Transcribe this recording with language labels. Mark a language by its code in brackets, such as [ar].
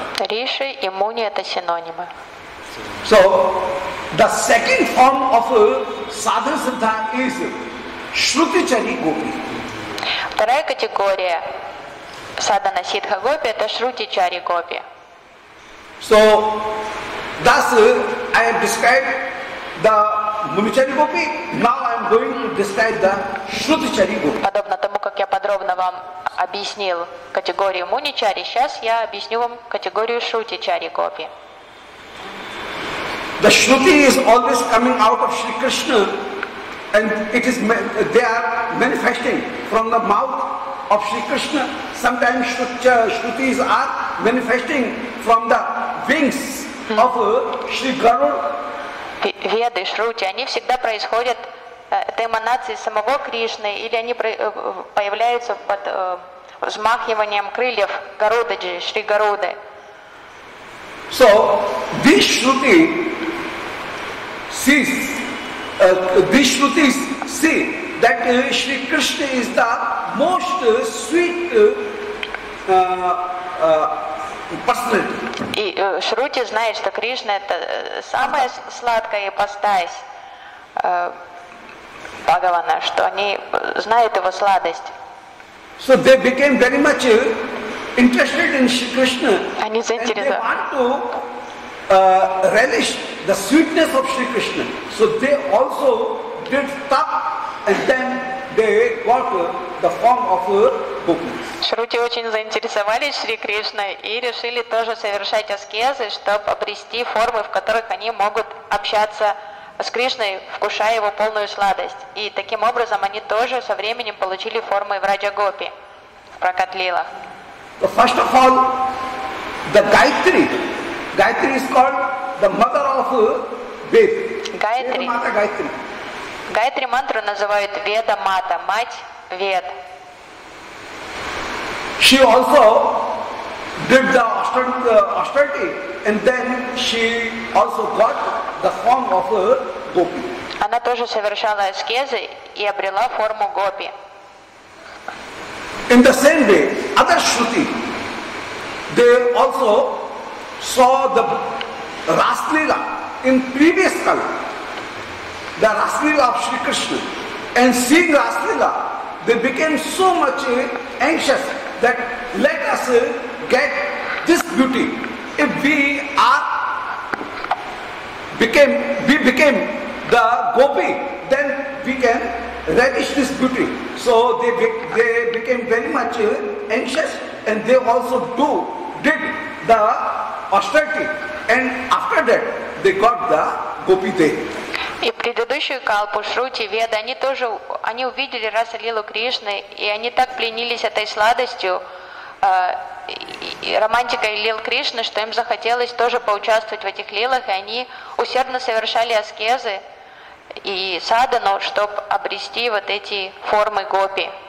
[ru] Риши и Муни это синонимы. [en] So the second form of sadhana siddha is Shrutichari Gopi. [ru] Вторая категория sadhana siddha gopi это Shrutichari Gopi. [en] So thus I have described the Munichari Gopi. Now I am going to describe the Shrutichari Gopi. [ru] Подобно тому, как я подробно вам объяснил категорию Муничари, сейчас я объясню вам категорию Шрутичари Гопи. [en] The Shruti is always coming out of Shri Krishna and it is there manifesting from the mouth of Shri Krishna. Sometimes Shrutis are manifesting from the wings of Shri Garuda. [ru] Веды, Шрути, они всегда происходят от эманации самого Кришны или они появляются под взмахиванием крыльев Гарудаджи, Шри Гаруды. [en] So, this Shruti sees, these Shrutis see that Shri Krishna is the most sweet [ru] И Шрути знает, что Кришна это самая сладкая ипостась Бхагавана, что они знают его сладость. [en] So they became very much interested in Shri Krishna. [ru] Они заинтересованы. [en] They want to relish the sweetness of Shri Krishna. So they also did tap and then they got the form of [ru] Шрути очень заинтересовались Шри Кришной и решили тоже совершать аскезы, чтобы обрести формы, в которых они могут общаться с Кришной, вкушая его полную сладость. И таким образом они тоже со временем получили формы в Раджа-гопи, в Пракат-лилах. [en] First of all, the Gayatri. Gayatri is called the mother of Gayatri. [ru] Gayatri mantra называют Веда-мата, мать Вед. [en] She also did the austerity and then she also got the form of a gopi. [ru] Она тоже совершала аскезы и обрела форму гопи. [en] In the same way, other Shruti, they also saw the Raslila in previous kala, the Raslila of Shri Krishna. And seeing Raslila, they became so much anxious that let us get this beauty. If we are became the gopi, then we can relish this beauty. So they became very much anxious and they also did the austerity. And after that, they got the gopi day. [ru] И предыдущую калпу Шрути, Веда, они тоже, они увидели Раса-лилу Кришны, и они так пленились этой сладостью, романтикой лил Кришны, что им захотелось тоже поучаствовать в этих лилах, и они усердно совершали аскезы и садану, чтобы обрести вот эти формы гопи.